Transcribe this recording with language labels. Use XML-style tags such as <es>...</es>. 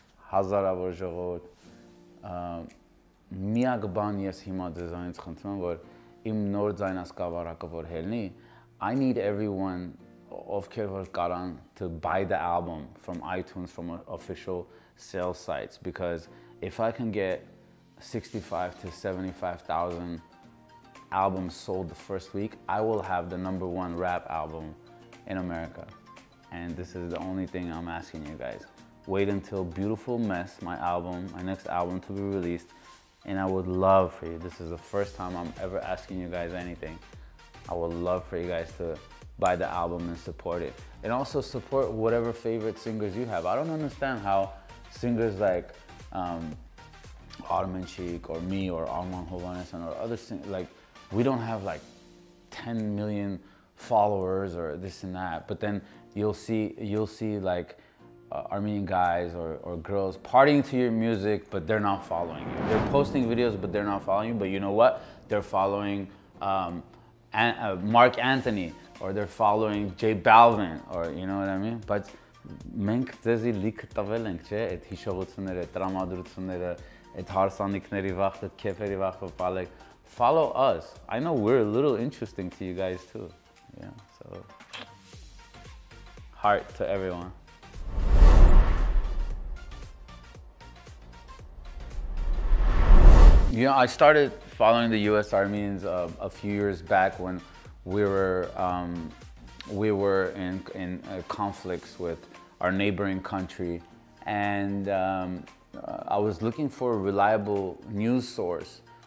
<hy>հազարավոր ժողովուրդ։ Միակ բան ես հիմա ձեզանից խնդրում եմ, որ իմ նոր ձայնասկավառակը որ հելնի,</hy> <en>I need everyone</en> <hy>ովքեր որ կարան</hy> <en>to buy the album from iTunes from an official sales sites, because if I can get 65,000 to 75,000 album sold the first week, I will have the number one rap album in America. And this is the only thing I'm asking you guys. Wait until Beautiful Mess, my album, my next album to be released, and I would love for you, this is the first time I'm ever asking you guys anything, I would love for you guys to buy the album and support it. And also support whatever favorite singers you have. I don't understand how singers like Armen Cheek or me or Arman Hovhannesyan or other singers, like, we don't have like 10 million followers or this and that, but then you'll see like Armenian guys or girls partying to your music, but they're not following you. They're posting videos, but they're not following you. But you know what? They're following Mark Anthony, or they're following J Balvin, or you know what I mean?</en> <hy>But մենք ձեզի լիք տվել ենք, չէ, այդ հիշողությունները, այդ տրամադրությունները, այդ հարսանիքների վախտ, այդ քեֆերի վախտը բալեք։</hy> <en>Follow us. I know we're a little interesting to you guys too. Yeah, so heart to everyone. Yeah, I started following the US Armenians a few years back when we were in conflicts with our neighboring country, and I was looking for a reliable news source.</en>